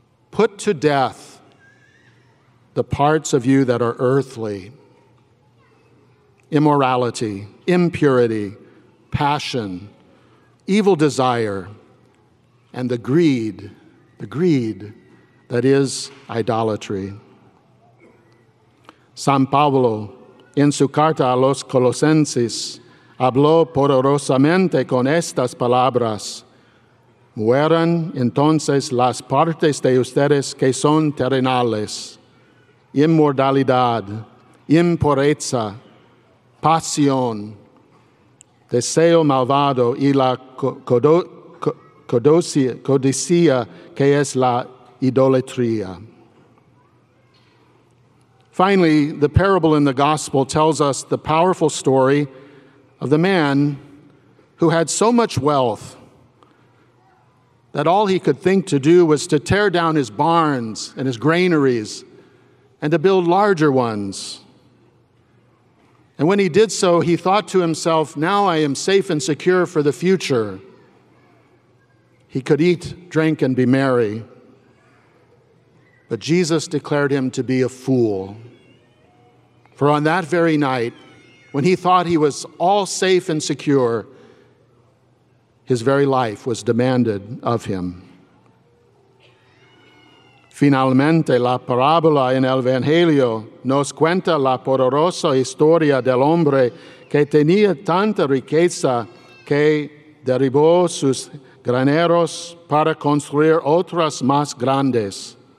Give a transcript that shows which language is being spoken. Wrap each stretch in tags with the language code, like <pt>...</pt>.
<en>Put to death the parts of you that are earthly. Immorality, impurity, passion, evil desire, and the greed that is idolatry.</en> <es>San Pablo, en su carta a los Colosenses, habló poderosamente con estas palabras. Mueran entonces las partes de ustedes que son terrenales, inmoralidad, impureza, pasión, deseo malvado y la codicia que es la idolatría.</es> <en>Finally, the parable in the gospel tells us the powerful story of the man who had so much wealth that all he could think to do was to tear down his barns and his granaries and to build larger ones. And when he did so, he thought to himself, now I am safe and secure for the future. He could eat, drink, and be merry. But Jesus declared him to be a fool. For on that very night, when he thought he was all safe and secure, his very life was demanded of him.</en> <es>Finalmente, la parábola en el Evangelio nos cuenta la poderosa historia del hombre que tenía tanta riqueza que derribó sus graneros para construir otras más grandes.</es>